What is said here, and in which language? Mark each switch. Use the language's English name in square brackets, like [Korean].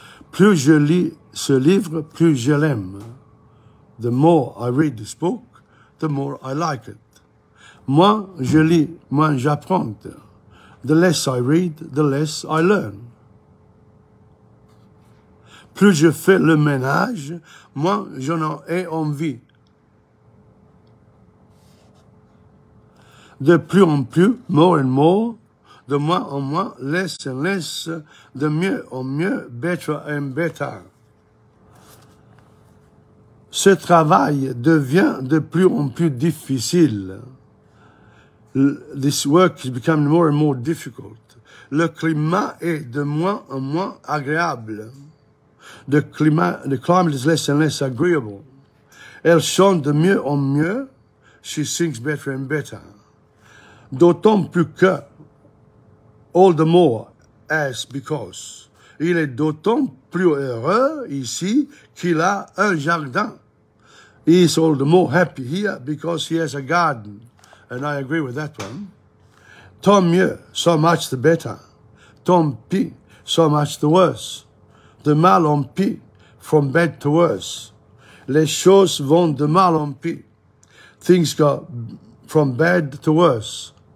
[French] Plus je lis ce livre, plus je l'aime. [English] The more I read this book, the more I like it. [French] Moins je lis, moins j'apprends. [English] The less I read, the less I learn. [French] Plus je fais le ménage, moins j'en ai envie. De plus en plus, [English] more and more. [French] De moins en moins, [English] less and less. [French] De mieux en mieux, [English] better and better. [French] Ce travail devient de plus en plus difficile. [English] This work is becoming more and more difficult. [French] Le climat est de moins en moins agréable. [English] The climate is less and less agreeable. [French] Elles sont de mieux en mieux. [English] she sings better and better. [French] D'autant plus que, [English] all the more, as because. [French] Il est d'autant plus heureux ici qu'il a un jardin. [English] He is all the more happy here because he has a garden. And I agree with that one. [French] Tant mieux, [English] so much the better. [French] Tant pis, [English] so much the worse. [French] De mal en pis, [English] from bad to worse. [French] Les choses vont de mal en pis. [English] Things go from bad to worse.